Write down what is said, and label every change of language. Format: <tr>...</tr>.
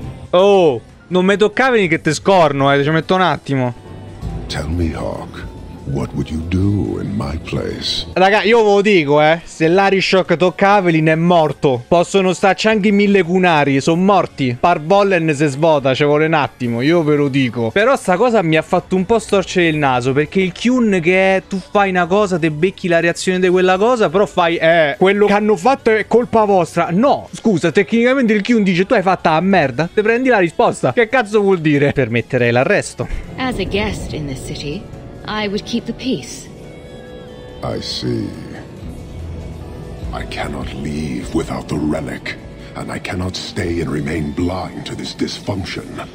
<it>Oh, non mi toccavi che te scorno, ci metto un attimo.</it> <en>Tell me, Hawk, what would you do in my place?</en> <it>Raga, io ve lo dico, se l'Arishok tocca Aveline è morto. Possono starci anche mille cunari, sono morti. Parvollen se svuota, ci vuole un attimo, io ve lo dico. Però sta cosa mi ha fatto un po' storcere il naso, perché il Kyun che è, tu fai una cosa, te becchi la reazione di quella cosa, però fai, quello che hanno fatto è colpa vostra. No, scusa, tecnicamente il Kyun dice: tu hai fatto la merda, te prendi la risposta. Che cazzo vuol dire? Permetterei l'arresto.</it> <en>As a guest in this city, I would keep the peace. I see. I cannot leave without the relic, and I cannot stay and remain blind to this dysfunction.</en>